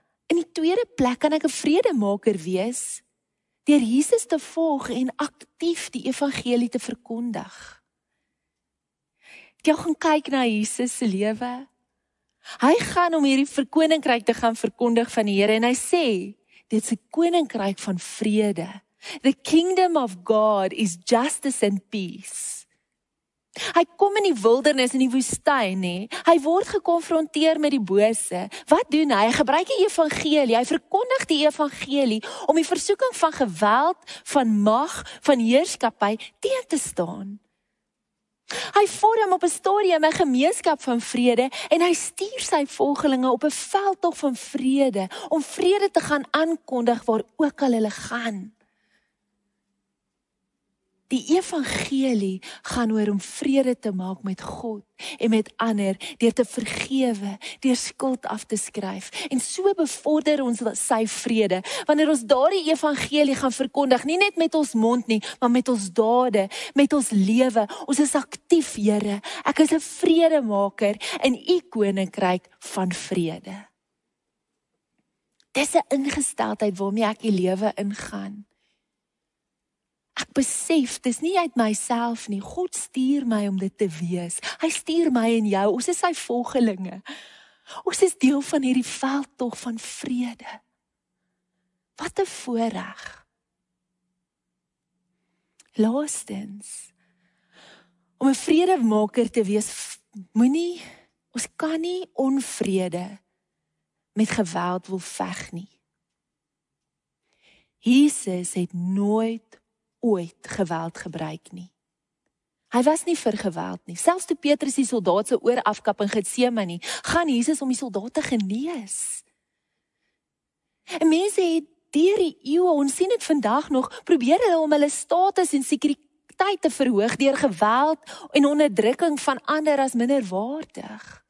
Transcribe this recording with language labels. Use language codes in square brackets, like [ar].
[af] In die tweede plek kan ek 'n vredemaker wees deur Jesus te volg en aktief die evangelie te verkondig. Jy gaan kyk na Jesus se lewe. Hy gaan om hierdie koninkryk te gaan verkondig van die Here en hy sê, dit is 'n koninkryk van vrede. [en] The kingdom of God is justice and peace. [af] Hy kom in die wildernis in die woestyn nê. Hy word gekonfronteer met die bose. Wat doen hy? Hy gebruik die evangelie. Hy verkondig die evangelie om die versoeking van geweld, van mag, van heerskappy teen te staan. Hy vorm op 'n stadium 'n gemeenskap van vrede en hy stuur sy volgelinge op 'n veldtog van vrede om vrede te gaan aankondig waar ook al hulle gaan. Die evangelie gaan oor om vrede te maak met God en met ander, deur te vergewe, deur skuld af te skryf. En so bevorder ons sy vrede. Wanneer ons daardie evangelie gaan verkondig, nie net met ons mond nie, maar met ons dade, met ons lewe. Ons is aktief, Here. Ek is 'n vredemaker in u koninkryk van vrede. Dis 'n ingesteldheid waarmee ek die lewe ingaan. Ek besef, dis nie uit myself nie. God stuur my om dit te wees. Hy stuur my en jou. Ons is sy volgelinge. Ons is deel van hierdie veldtog van vrede. Wat 'n voorreg. Laastens, om 'n vredemaker te wees, moenie, ons kan nie onvrede met geweld wil veg nie. Jesus het nooit ooit geweld gebruik nie. Hy was nie vir geweld nie. Selfs toe Petrus die soldaat se oor afkap in Getsemane, gaan Jesus om die soldaat te genees. En mense het deur die eeue, ons sien dit vandag nog, probeer hulle om hulle status en sekuriteit te verhoog deur geweld en onderdrukking van ander as minderwaardig.